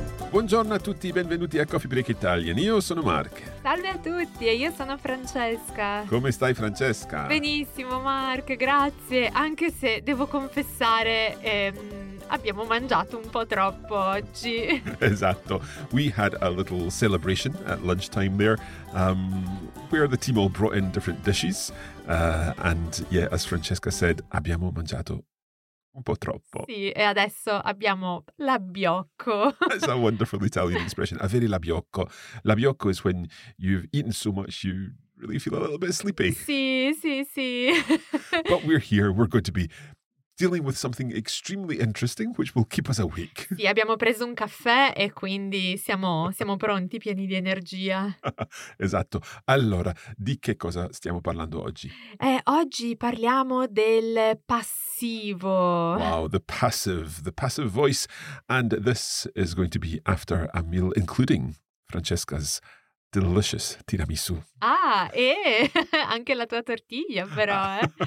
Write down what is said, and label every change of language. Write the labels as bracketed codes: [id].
[it] Buongiorno a tutti, benvenuti a Coffee Break Italian. Io sono Mark. Salve a tutti, e io sono Francesca. Come stai, Francesca? Benissimo, Mark, grazie. Anche se devo confessare, abbiamo mangiato un po' troppo oggi. Esatto. [en] We had a little celebration at lunchtime there, where the team all brought in different dishes. As Francesca said, [it] abbiamo mangiato un po' troppo. Sì, e adesso abbiamo l'abbiocco. [en] That's a wonderful Italian expression. [it] Avere l'abbiocco. [en] L'abbiocco is when you've eaten so much you really feel a little bit sleepy. [it] Sì, sì, sì. [en] But we're here. We're going to be dealing with something extremely interesting, which will keep us awake. [it] Sì, abbiamo preso un caffè e quindi siamo pronti, pieni di energia. Esatto. Allora, di che cosa stiamo parlando oggi? Oggi parliamo del passivo. [en] Wow, the passive voice. And this is going to be after a meal, including Francesca's delicious tiramisu. [it] Ah, e anche la tua tortilla, però.